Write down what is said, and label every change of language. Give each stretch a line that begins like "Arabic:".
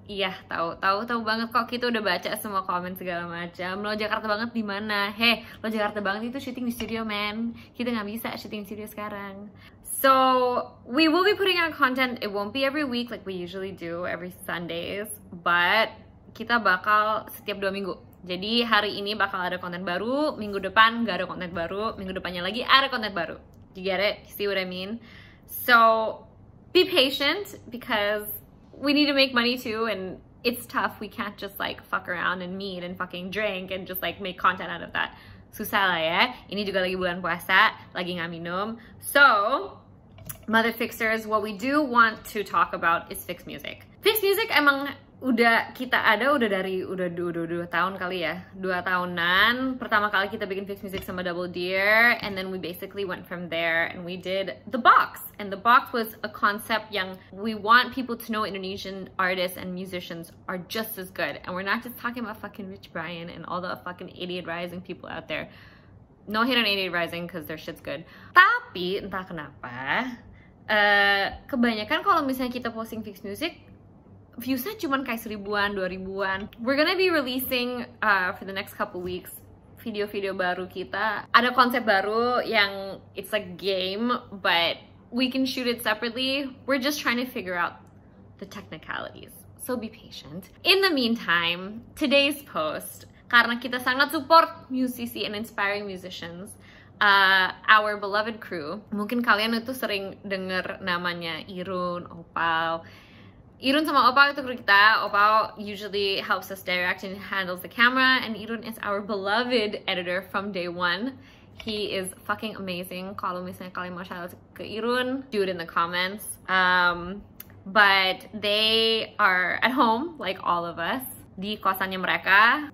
Indonesian: Yeah, tahu banget kok, kita udah baca semua komen segala macam. Lo Jakarta banget di mana? Hey, lo Jakarta banget itu shooting di studio, man. Kita nggak bisa shooting di studio sekarang.
English: So we will be putting out content. It won't be every week like we usually do every Sundays, but
Indonesian: kita bakal setiap 2 minggu. Jadi hari ini bakal ada konten baru, minggu depan nggak ada konten baru, minggu depannya lagi ada konten baru.
English: You get it? See what I mean? So be patient because we need to make money too, and it's tough. We can't just like fuck around and meet and fucking drink and just like make content out of that.
Indonesian: Susah lah ya. Ini juga lagi bulan puasa, lagi nggak minum.
English: So, Mother Fixers, what we do want to talk about is fix music.
Indonesian: Fix music emang udah kita ada udah dari 2 tahun kali ya. 2 tahunan. Pertama kali kita bikin fix music sama
English: Double Deer, and then we basically went from there and we did The Box. And The Box was a concept yang we want people to know Indonesian artists and musicians are just as good. And we're not just talking about fucking Rich Brian and all the fucking 88 Rising people out there. No hate on 88 Rising because their shit's good.
Indonesian: Tapi entah kenapa, kebanyakan kalau misalnya kita posting fix music, views-nya cuma kayak 1000-an, 2000-an.
English: We're gonna be releasing for the next couple weeks
Indonesian: video-video baru kita. Ada konsep baru yang
English: it's a game, but we can shoot it separately. We're just trying to figure out the technicalities, so be patient. In the meantime, today's post,
Indonesian: karena kita sangat support musisi
English: and inspiring musicians, our beloved crew.
Indonesian: Mungkin kalian itu sering dengar namanya Irun, Opal. Irun sama Opal itu kru kita.
English: Opal usually helps us direct and handles the camera, and Irun is our beloved editor from day one. He is fucking amazing.
Indonesian: Kalau misalnya kalian mau shout out ke Irun,
English: do it in the comments. But they are at home, like all of us,
Indonesian: di kosannya mereka.